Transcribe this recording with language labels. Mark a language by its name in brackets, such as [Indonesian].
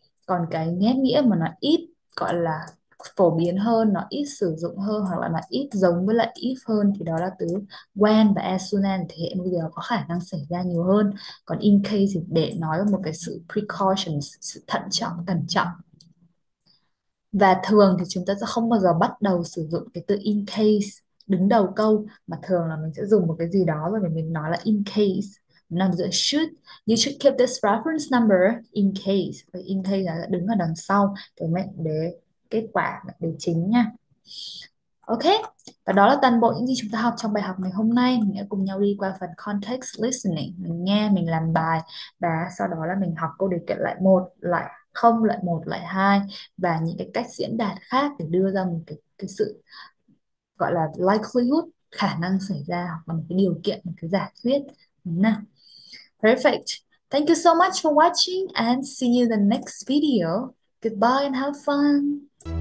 [Vietnamese] Còn cái nét nghĩa mà nó ít gọi là phổ biến hơn, nó ít sử dụng hơn, hoặc là nó ít giống với lại if hơn, thì đó là từ when và as soon as, thể hiện một điều có khả năng xảy ra nhiều hơn. Còn in case thì để nói một cái sự precautions, sự thận trọng, cẩn trọng. Và thường thì chúng ta sẽ không bao giờ bắt đầu sử dụng cái từ in case đứng đầu câu, mà thường là mình sẽ dùng một cái gì đó rồi mình nói là in case. [English] Nằm giữa should, you should keep this reference number in case. [Vietnamese] Và in case là đứng ở đằng sau cái mệnh đề kết quả, mệnh đề chính nha. Ok, và đó là toàn bộ những gì chúng ta học trong bài học ngày hôm nay. Mình đã cùng nhau đi qua phần context listening, mình nghe, mình làm bài, và sau đó là mình học câu điều kiện loại 1, loại 0, loại 1, loại 2, và những cái cách diễn đạt khác để đưa ra một cái sự gọi là likelihood, khả năng xảy ra, hoặc là một cái điều kiện, một cái giả thuyết. [English] Nào. Perfect. Thank you so much for watching and see you in the next video. Goodbye and have fun.